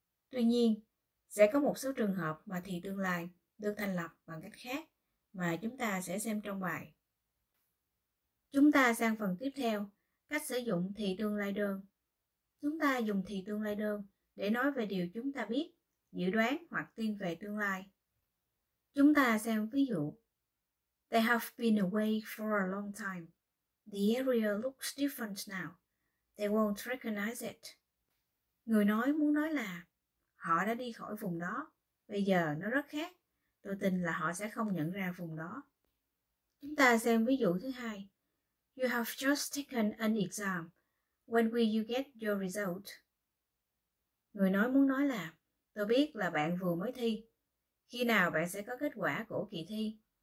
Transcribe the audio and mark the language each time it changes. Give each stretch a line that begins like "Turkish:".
Vietnamese: Tuy nhiên, sẽ có một số trường hợp mà thị tương lai được thành lập bằng cách khác mà chúng ta sẽ xem trong bài. Chúng ta sang phần tiếp theo, cách sử dụng thị tương lai đơn. Chúng ta dùng thị tương lai đơn để nói về điều chúng ta biết, dự đoán hoặc tin về tương lai. Chúng ta xem ví dụ,
English: they have been away for a long time. The area looks different now. They won't recognize it.
Vietnamese: Người nói muốn nói là họ đã đi khỏi vùng đó, bây giờ nó rất khác, tôi tin là họ sẽ không nhận ra vùng đó. Chúng ta xem ví dụ thứ hai.
English: You have just taken an exam. When will you get your result?
Vietnamese: Người nói muốn nói là, tôi biết là bạn vừa mới thi. Khi nào bạn sẽ có kết quả của kỳ thi?